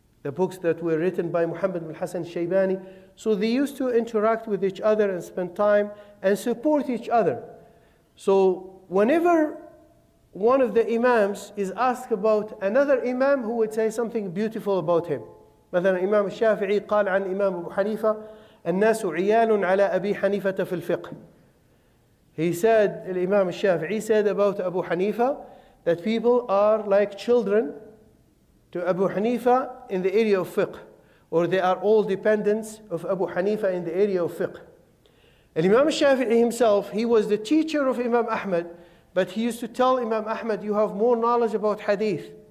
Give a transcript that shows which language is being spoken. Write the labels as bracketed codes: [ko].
[en] the books that were written by Muhammad bin Hassan Shaybani. So they used to interact with each other and spend time and support each other. So whenever one of the imams is asked about another imam, who would say something beautiful about him. [ar] مثلا Imam Shafi'i قال عن Imam Abu Hanifa, الناس عيال على أبي حنيفة في الفقه. [en] He said, Imam Shafi'i said about Abu Hanifa that people are like children to Abu Hanifa in the area of fiqh, or they are all dependents of Abu Hanifa in the area of fiqh. And Imam Shafi'i himself, he was the teacher of Imam Ahmad, but he used to tell Imam Ahmad, you have more knowledge about hadith.